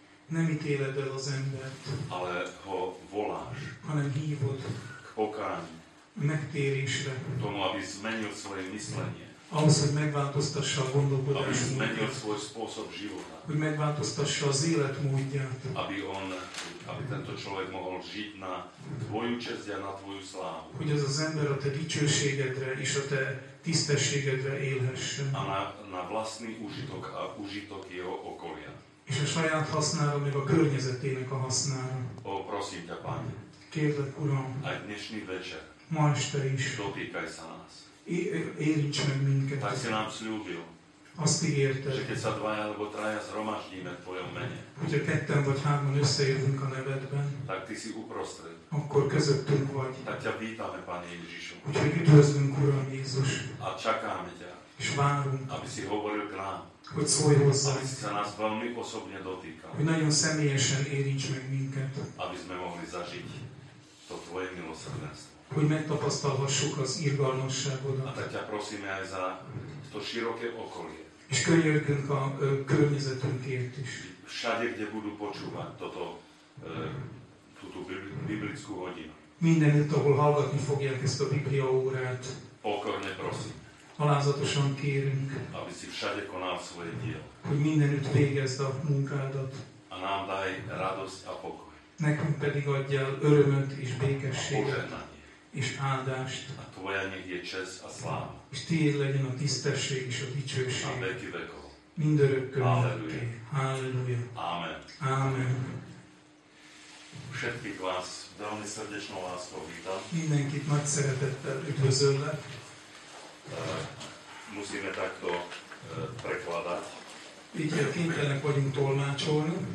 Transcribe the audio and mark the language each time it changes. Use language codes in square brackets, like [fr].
[hu] Nem ítéled el az embert. [sk] Ale ho voláš. [hu] Hanem hívod. [sk] K pokáni. [hu] Megtérésre. [sk] Tomu, aby zmenil svoje myslenie. [hu] Ahhoz, hogy megváltoztassa a gondolkodás módját. Hogy megváltoztassa az életmódját. [sk] Aby tento človek mohol žiť na tvoju česť a na tvoju slávu. [hu] Hogy az az ember a te dicsőségedre és a te tisztességedre élhessen. [sk] A na vlastný užitok a užitok jeho okolia. [hu] És a saját hasznára, meg a környezetének a hasznára. [sk] Ó, prosím te, Pane. [hu] Kérlek, Uram. [sk] Aj dnešný večer. [hu] Ma este is. [sk] Dotýkaj sa nás. [hu] Érints meg minket. [sk] Tak si nám slúbil. [hu] Azt ígérted. [sk] Že keď sa dvaja alebo traja zhromaždíme v tvojom mene. [hu] Hogyha ketten vagy hárman összejövünk a nevedben. [sk] Tak ty si uprostred. [hu] Akkor közöttünk vagy. [sk] Tak ťa vítame, Pane Ježišu. [hu] Úgyhogy üdvözlünk, Uram Jézus. [sk] A čakáme ťa. [hu] És várunk. [sk] Aby si hovoril k nám. [hu] Hogy szólj hozzá. [sk] Aby si sa nás veľmi osobne dotýkal. [hu] Hogy nagyon személyesen érints meg minket. [sk] Aby sme mohli zažiť to tvoje milosrdenstvo. [hu] Hogy megtapasztalhassuk az irgalmasságodat. [sk] A tatia, prosíme aj za to široké okolie. [hu] És könyörgünk a környezetünkért is. [sk] Všade, kde budú počúvať toto, túto biblickú hodinu. [hu] Mindenütt, ahol hallgatni fogják ezt a Biblia órát. [sk] Pokorne prosím. [hu] Alázatosan kérünk. [sk] Aby si všade konal svoje dielo. [hu] Hogy mindenütt végezd a munkádat. [sk] A nám daj radosť a pokoj. [hu] Nekünk pedig adjál örömöt és békességet. [sk] A [hu] és áldást. [sk] A tvoja nech je česť a sláva. [hu] És tiéd legyen a tisztesség és a dicsőség. [sk] A veky vekov. [hu] Mindörökkön. [sk] Halleluja. [hu] Halleluja. [sk] Amen. [hu] Amen. [sk] Všetkých vás veľmi srdečnou láskou vítam. [hu] Mindenkit nagy szeretettel üdvözöllek. [sk] Musíme takto prekladať. [hu] Így a kénytelenek vagyunk tolmácsolni.